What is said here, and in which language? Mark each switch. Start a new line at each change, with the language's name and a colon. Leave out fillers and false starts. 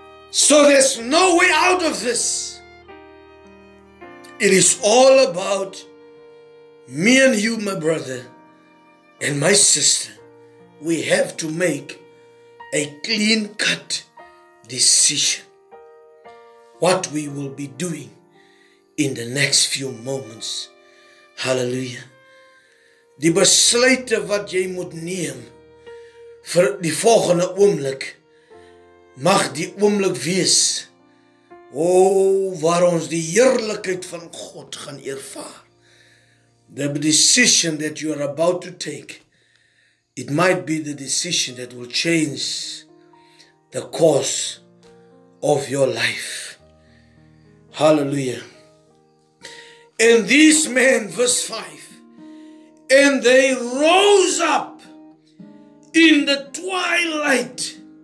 English: So there's no way out of this. It is all about me and you, my brother and my sister. We have to make a clean-cut decision what we will be doing in the next few moments. Hallelujah.
Afrikaans: Die besluite wat jy moet neem vir die volgende oomblik mag die oomblik wees, o, waar ons die heerlikheid van God gaan ervaar.
English: The decision that you are about to take, it might be the decision that will change the course of your life. Hallelujah. And this man, verse 5, and they rose up in the twilight.